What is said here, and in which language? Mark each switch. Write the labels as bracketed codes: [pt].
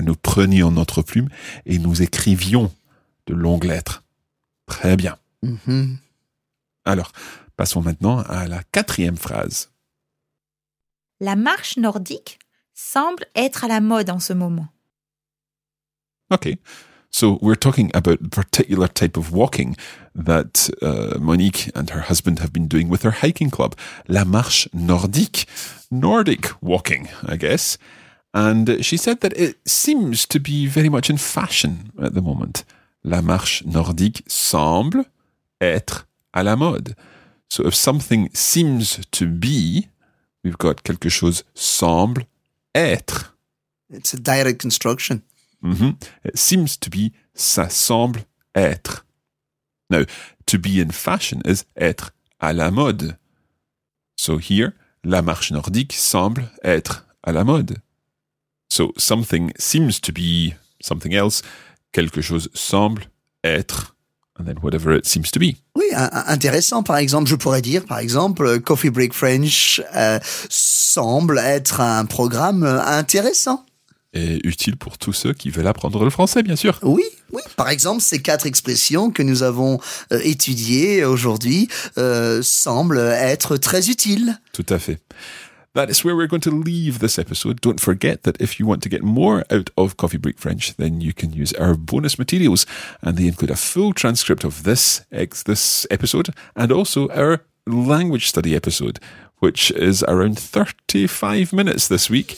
[fr] Nous prenions notre plume et nous écrivions de longues lettres. Très bien. Mm-hmm. Alors, passons maintenant à la quatrième phrase. La marche nordique semble être à la mode en ce moment. [en] Okay, so we're talking about a particular type of walking that Monique and her husband have been doing with her hiking club. [fr] La marche nordique, [en] Nordic walking, I guess. And she said that it seems to be very much in fashion at the moment. [fr] La marche nordique semble être à la mode. [en] So if something seems to be, we've got [fr] quelque chose semble être. [en] It's a direct construction. Mm-hmm. It seems to be, [fr] ça semble être. [en] Now, to be in fashion is [fr] être à la mode. [en] So here, [fr] la marche nordique semble être à la mode. [en] So something seems to be something else, [fr] quelque chose semble être. [en] And then whatever it seems to be. [fr] Oui, intéressant. Par exemple, je pourrais dire, par exemple, Coffee Break French semble être un programme intéressant. Et utile pour tous ceux qui veulent apprendre le français, bien sûr. Oui, oui. Par exemple, ces quatre expressions que nous avons étudiées aujourd'hui semblent être très utiles. Tout à fait. [en] That is where we're going to leave this episode. Don't forget that if you want to get more out of Coffee Break French, then you can use our bonus materials. And they include a full transcript of this episode and also our language study episode, which is around 35 minutes this week.